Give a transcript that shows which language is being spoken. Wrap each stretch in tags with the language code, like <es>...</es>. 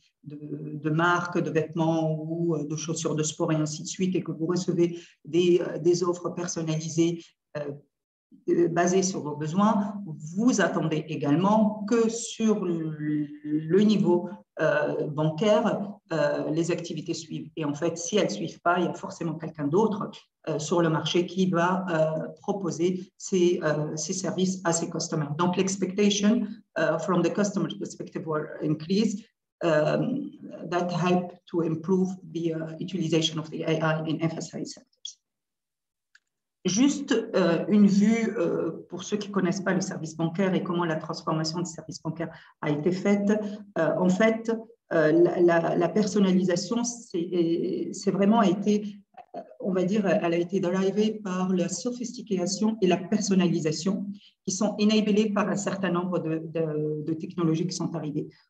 <fr>de marques, de vêtements ou de chaussures de sport et ainsi de suite, et que vous recevez des offres personnalisées basées sur vos besoins, vous attendez également que sur le niveau bancaire, les activités suivent. Et en fait, si elles ne suivent pas, il y a forcément quelqu'un d'autre sur le marché qui va proposer ses services à ses customers. Donc, l'expectation</fr> <en>from the customer perspective were increased that help to improve the utilization of the AI in FSI sectors.</en> <fr>Juste une vue pour ceux qui ne connaissent pas le service bancaire et comment la transformation du service bancaire a été faite. En fait, la personnalisation, c'est vraiment été, on va dire, elle a été drivée par la sophistication et la personnalisation qui sont enablées par un certain nombre de technologies qui sont arrivées.</fr>